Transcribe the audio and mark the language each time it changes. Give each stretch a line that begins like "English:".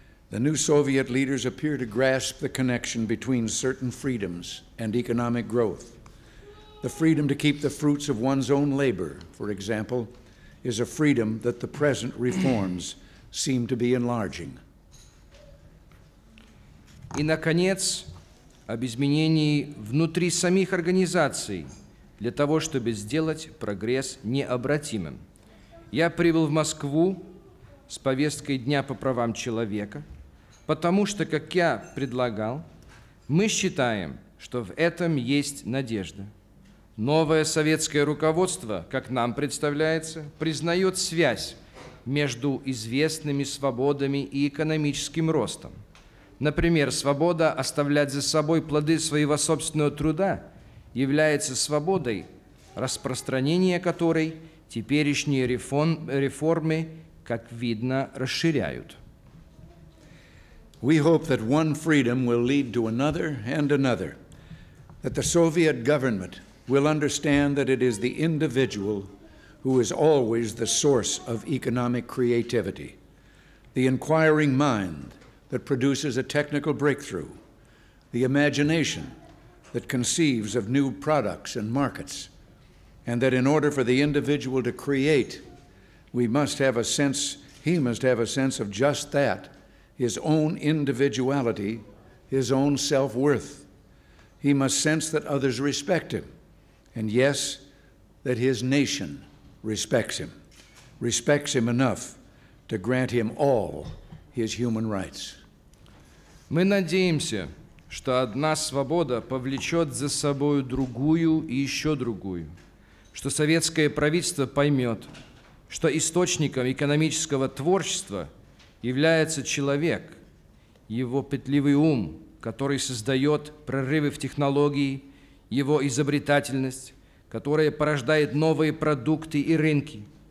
English: The new Soviet leaders appear to grasp the connection between certain freedoms and economic growth. The freedom to keep the fruits of one's own labor, for example, is a freedom that the present reforms seem to be enlarging.
Russian: И, наконец, об изменении внутри самих организаций для того, чтобы сделать прогресс необратимым. Я прибыл в Москву с повесткой Дня по правам человека, потому что, как я предлагал, мы считаем, что в этом есть надежда. Новое советское руководство, как нам представляется, признает связь между известными свободами и экономическим ростом. Например, свобода оставлять за собой плоды своего собственного труда является свободой, распространение которой теперешние реформы, как видно, расширяют.
English: We hope that one freedom will lead to another and another, that the Soviet government will understand that it is the individual who is always the source of economic creativity, the inquiring mind that produces a technical breakthrough, the imagination that conceives of new products and markets, and that in order for the individual to create, he must have a sense of just that, his own individuality, his own self-worth. He must sense that others respect him, and yes, that his nation respects him enough to grant him all his human rights.
Russian: Мы надеемся, что одна свобода повлечет за собой другую и еще другую, что советское правительство поймет, что источником экономического творчества является человек, его пытливый ум, который создает прорывы в технологии, его изобретательность, которая порождает новые продукты и рынки.